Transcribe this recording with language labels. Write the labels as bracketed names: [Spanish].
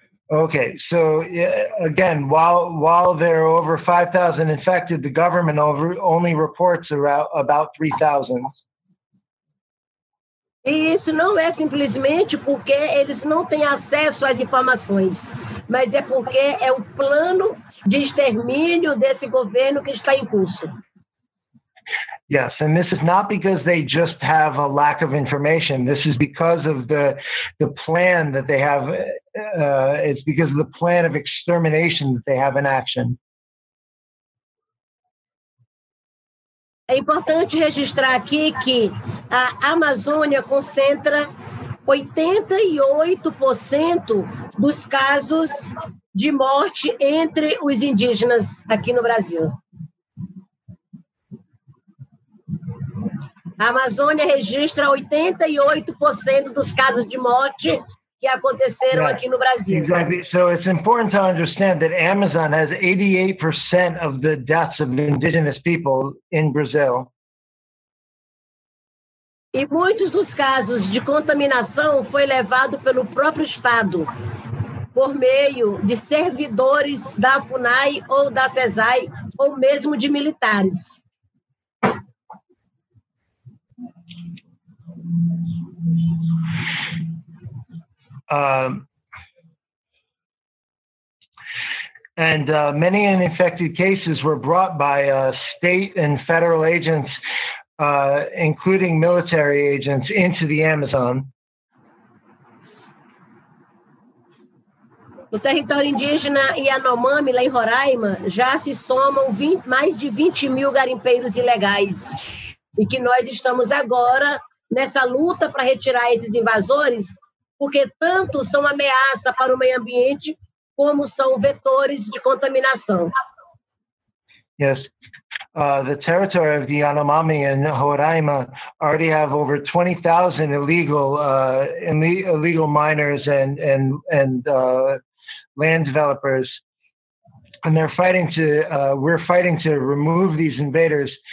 [English] Okay, so again, while there are over 5,000 infected, the government only reports about 3,000. [Portuguese] E isso não é simplesmente porque eles não têm acesso às informações, mas é porque é o plano de extermínio desse governo que está em curso. [English] Yes, and this is not because they just have a lack of information. This is because of the plan that they have. It's because of the plan of extermination that they have in action. [Portuguese] É importante registrar aqui que a Amazônia concentra 88% dos casos de morte entre os indígenas aqui no Brasil. A Amazônia registra 88% dos casos de morte que aconteceram aqui no Brasil. [English] Exactly. So it's important to understand that Amazon has 88% of the deaths of indigenous people in Brazil. [Portuguese] E muitos dos casos de contaminação foi levado pelo próprio Estado, por meio de servidores da FUNAI ou da CESAI, ou mesmo de militares. [English] Many infected cases were brought by state and federal agents, including military agents, into the Amazon. [Portuguese] No território indígena Yanomami, lá em Roraima, já se somam mais de 20 mil garimpeiros ilegais, e que nós estamos agora nessa luta para retirar esses invasores, porque tanto são ameaça para o meio ambiente como são vetores de contaminação. [English] Yes, the territory of the Yanomami and Roraima already have over 20,000 illegal miners and land developers, and they're fighting to remove these invaders.